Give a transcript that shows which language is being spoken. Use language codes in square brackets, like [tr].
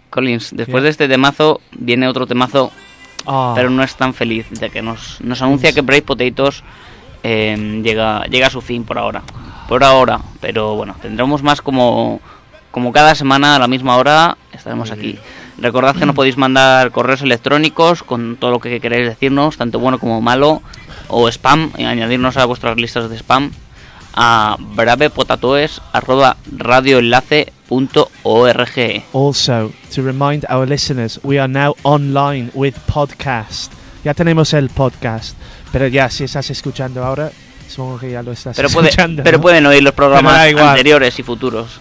[es] Collins, después de este temazo, viene otro temazo, pero no es tan feliz, ya que nos anuncia que Brave Potatoes llega a su fin por ahora, pero bueno, tendremos más como cada semana a la misma hora, estaremos aquí. Recordad que nos podéis mandar correos electrónicos con todo lo que queréis decirnos, tanto bueno como malo, o spam, y añadirnos a vuestras listas de spam a bravepotatoes@radioenlace.org. [en] Also, to remind our listeners, we are now online with podcast. [es] Ya tenemos el podcast, pero ya, si estás escuchando ahora, supongo que ya lo estás escuchando. Pero pueden oír los programas anteriores y futuros.